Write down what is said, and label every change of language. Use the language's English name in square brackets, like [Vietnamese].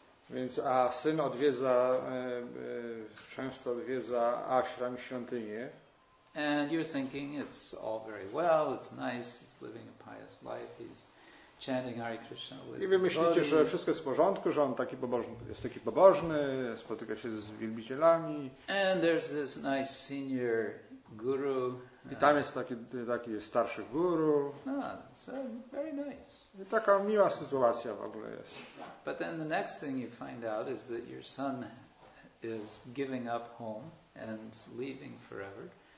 [Polish] Więc a syn odwiedza często odwiedza ashram, świątynię. [English] And you're thinking it's all very well, it's nice, he's living a pious life, he's chanting Hare Krishna with [Polish] I wy myślicie, że wszystko jest w porządku, że on taki pobożny, jest taki pobożny, spotyka się z wielbicielami. [English] And there's this nice senior guru. [Polish] I tam jest taki starszy guru. [English] Very nice. [Polish] I taka miła sytuacja w ogóle jest. [English] But then the next thing you find out is that your son is giving up home and leaving forever.